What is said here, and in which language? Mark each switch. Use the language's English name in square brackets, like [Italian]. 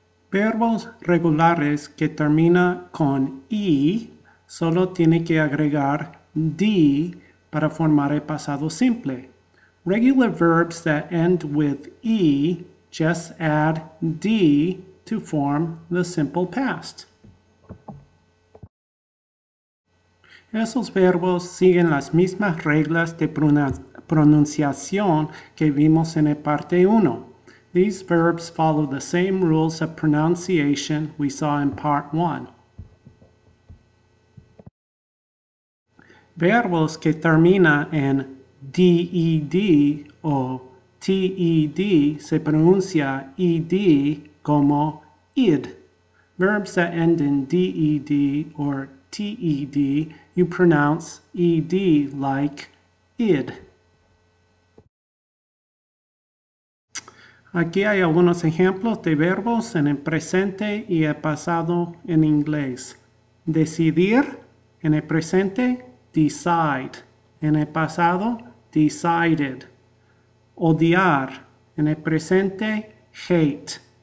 [Spanish] Verbos regulares que termina con I, solo tiene que agregar D para formar el pasado simple. [English] Regular verbs that end with E, just add D to form the simple past. [Spanish] Esos verbos siguen las mismas reglas de pronunciación que vimos en el parte 1. [English] These verbs follow the same rules of pronunciation we saw in part 1. [Spanish] Verbos que termina en D-E-D o T-E-D se pronuncia E-D como id. [English] Verbs that end in D-E-D or T-E-D, you pronounce E-D like id. [Spanish] Aquí hay algunos ejemplos de verbos en el presente y el pasado en inglés. Decidir, en el presente, [English] decide. [Spanish] En el pasado, [English] decided. [Spanish] Odiar, en el presente, [English] hate.